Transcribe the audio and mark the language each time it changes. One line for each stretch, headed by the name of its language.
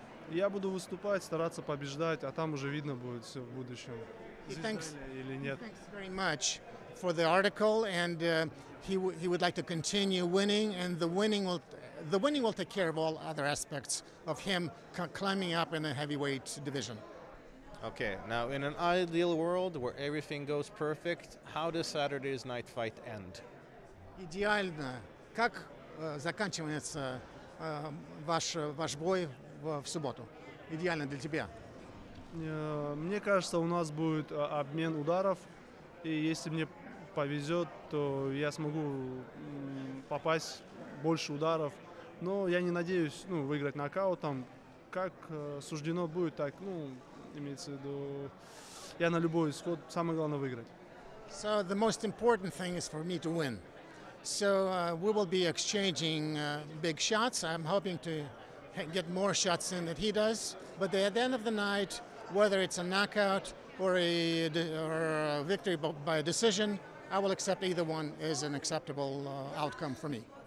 Russian: Я буду выступать, стараться побеждать, а там уже видно будет все в будущем.
English: Thanks,
Russian: или нет.
English: Thanks very much for the article, and he would like to continue winning, and the winning will take care of all other aspects of him climbing up in the heavyweight division. Okay, now in an ideal world where everything goes perfect, how does Saturday's night fight end?
Russian: Идеально. Как заканчивается ваш бой? В субботу. Идеально для тебя. Мне кажется, у нас будет обмен ударов. И если мне повезет, то я смогу попасть больше ударов. Но я не надеюсь, ну, выиграть нокаутом. Как суждено будет, так, ну, имеется в виду, я на любой исход, самое главное выиграть.
English: So the most important thing is for me to win. So we will be exchanging big shots. I'm hoping to get more shots in than he does, but at the end of the night, whether it's a knockout or a victory by a decision, I will accept either one as an acceptable outcome for me.